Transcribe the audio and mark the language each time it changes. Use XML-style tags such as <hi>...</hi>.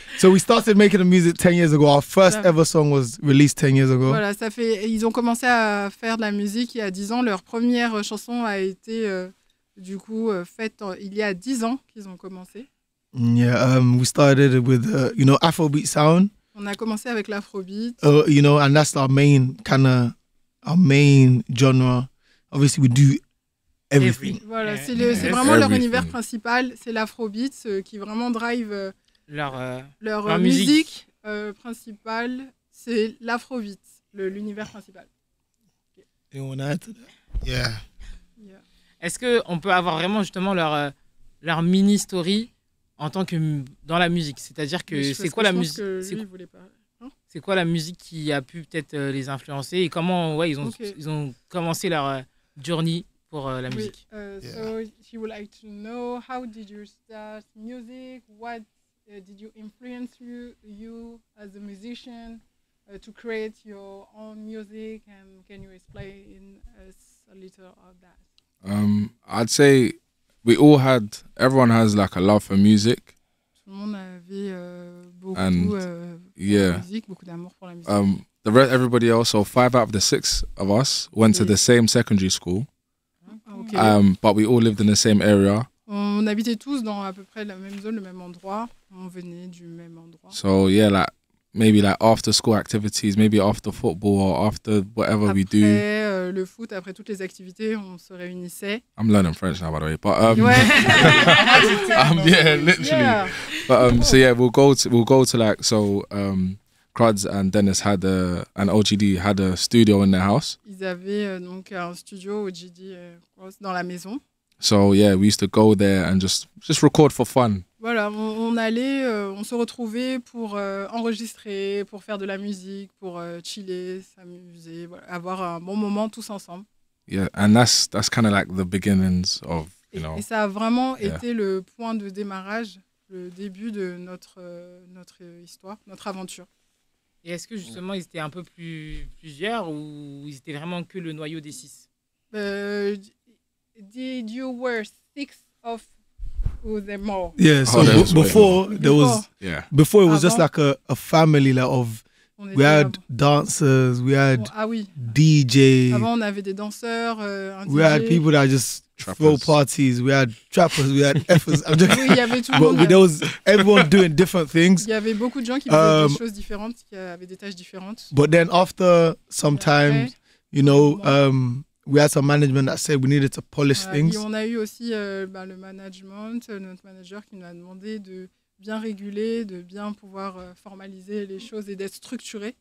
<en>So we started making the music 10 years ago. Our first ever song was released 10 years ago.</en> <fr>Voilà, ça fait. Ils ont commencé à faire de la musique il y a 10 ans. Leur première chanson a été, du coup, faite il y a 10 ans qu'ils ont commencé.</fr> <en>Yeah, we started with Afrobeat sound.</en> <fr>On a commencé avec l'Afrobeat.</fr> <en>And that's our main genre. Obviously, we do everything.</en> <fr>Voilà, yeah. C'est vraiment everything. Leur univers principal, c'est l'Afrobeat qui vraiment drive leur musique principale. C'est l'Afrobeat, l'univers principal. Et on a.</fr> <en>Yeah.</en> <fr>Est-ce que on peut avoir vraiment justement leur mini story? En tant que dans la musique, c'est-à-dire que c'est quoi que la musique c'est quoi la musique qui a pu peut-être les influencer et comment ils ont commencé leur journey pour la musique.</fr> <en>So she would like to know how did you start music, what did you influence you as a musician to create your own music, and can you explain us a little of that? I'd say everyone has like a love for music.</en> <fr>Tout le monde avait beaucoup d'amour pour la musique.</fr> <en>Everybody else, so five out of the six of us went to the same secondary school. Okay. But we all lived in the same area.</en> <fr>On habitait tous dans à peu près la même zone, le même endroit. On venait du même endroit.</fr> <en>So yeah, like maybe like after school activities, maybe after football or after whatever</en> <fr>après,</fr> <en>we do.</en> <fr>Le foot, après toutes les activités, on se réunissait.</fr> <en>I'm learning French now, by the way. But literally. Yeah. But so yeah, we'll go to Cruds and Dennis had an OGD had a studio in their house.</en> <fr>Ils avaient donc un studio OGD dans la maison.</fr> <en>So yeah, we used to go there and just record for fun.</en> <fr>Voilà, on allait, on se retrouvait pour enregistrer, pour faire de la musique, pour chiller, s'amuser, voilà, avoir un bon moment tous ensemble.</fr> <en>Yeah, and that's kind of like the beginnings of,</en> <fr>Et ça a vraiment été le point de démarrage, le début de notre histoire, notre aventure. Et est-ce que justement ils étaient un peu plusieurs ou ils étaient vraiment que le noyau des six?</fr> <en>Did you were six of them more? Yeah, so before it was just like a family like of. We had dancers, we had DJ.</en> <fr>Avant, on avait des danseurs, un DJ.</fr> <en>We had people that just throw parties. We had trappers, we had effers.</en> <fr>Oui, il y avait tout le monde. But</fr> <en>there was everyone doing different things.</en> <fr>Il y avait beaucoup de gens qui faisaient des choses différentes, qui avaient des tâches différentes.</fr> <en>But then after some time, you know, we had some management that said we needed to polish things.</en> <fr>Et on a eu aussi le management, notre manager qui nous a demandé de bien régulé, de bien pouvoir formaliser les choses et d'être structuré.</fr>